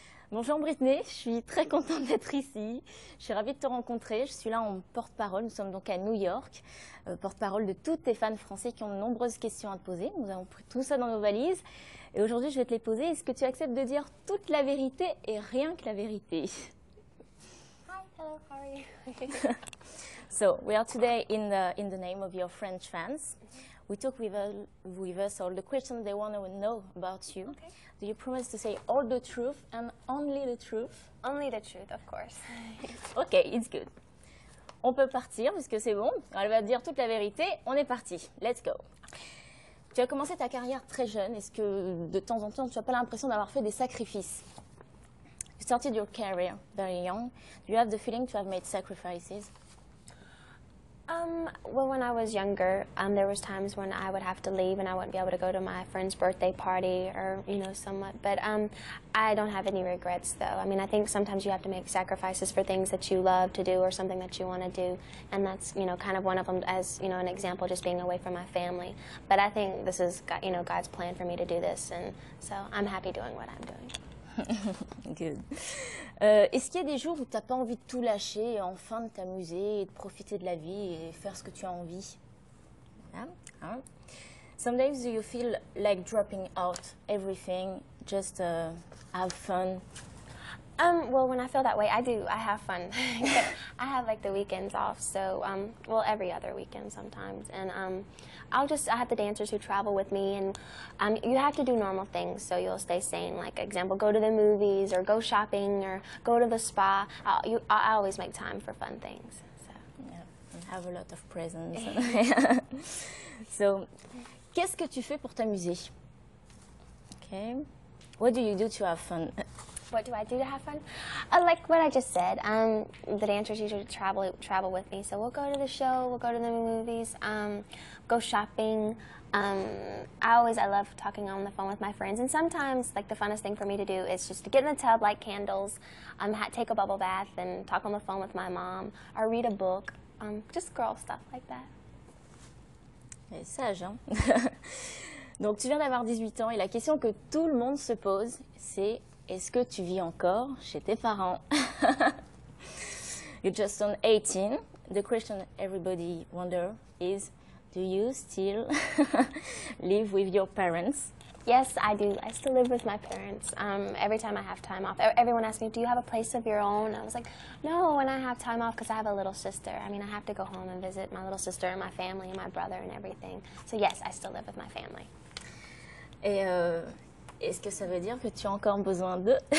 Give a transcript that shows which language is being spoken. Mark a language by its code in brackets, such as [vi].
[fr] Bonjour Brittany, je suis très contente d'être ici. Je suis ravie de te rencontrer. Je suis là en porte-parole. Nous sommes donc à New York, porte-parole de tous tes fans français qui ont de nombreuses questions à te poser. Nous avons pris tout ça dans nos valises. Et aujourd'hui, je vais te les poser. Est-ce que tu acceptes de dire toute la vérité et rien que la vérité? [en] Hi, hello, how are you? So, we are today in the name of your French fans. We talk with us all the questions they want to know about you. Okay. Do you promise to say all the truth and only the truth? Only the truth, of course. Okay, it's good. [fr] On peut partir puisque c'est bon. Elle va dire toute la vérité. On est parti. [en] Let's go. [fr] Tu as commencé ta carrière très jeune. Est-ce que de temps en temps, tu n'as pas l'impression d'avoir fait des sacrifices? [en] You started your career very young. Do you have the feeling to have made sacrifices? Well, when I was younger, there was times when I would have to leave and I wouldn't be able to go to my friend's birthday party or, you know, somewhat. But I don't have any regrets, though. I mean, I think sometimes you have to make sacrifices for things that you love to do or something that you want to do. And that's, you know, kind of one of them as, you know, an example, just being away from my family. But I think this is, you know, God's plan for me to do this. And so I'm happy doing what I'm doing. Good. [fr] Est-ce qu'il y a des jours où tu n'as pas envie de tout lâcher et enfin de t'amuser et de profiter de la vie et faire ce que tu as envie? [en] Yeah. Huh? Sometimes you feel like dropping out everything, just have fun. Well, when I feel that way, I do. I have fun. I have like the weekends off, so well, every other weekend sometimes, and I have the dancers who travel with me, and you have to do normal things so you'll stay sane. Like example, go to the movies or go shopping or go to the spa. I always make time for fun things. So. Yeah, and have a lot of presents. [fr] So, qu'est-ce que tu fais pour t'amuser? [en] Okay, what do you do to have fun? What do I do to have fun? Like what I just said, the dancers usually travel with me, so we'll go to the show, we'll go to the movies, go shopping. I love talking on the phone with my friends, and sometimes like the funnest thing for me to do is just to get in the tub, light candles, take a bubble bath, and talk on the phone with my mom, or read a book, just girl stuff like that. [fr] Et sage, hein? Donc tu viens d'avoir 18 ans, et la question que tout le monde se pose, c'est: est-ce que tu vis encore chez tes parents? [en] You just turned 18. The question everybody wonders is, do you still live with your parents? Yes, I do. I still live with my parents. Every time I have time off, everyone asks me, do you have a place of your own? I was like, no, when I have time off, because I have a little sister. I mean, I have to go home and visit my little sister and my family and my brother and everything. So yes, I still live with my family. [fr] Est-ce que ça veut dire que tu as encore besoin d'eux?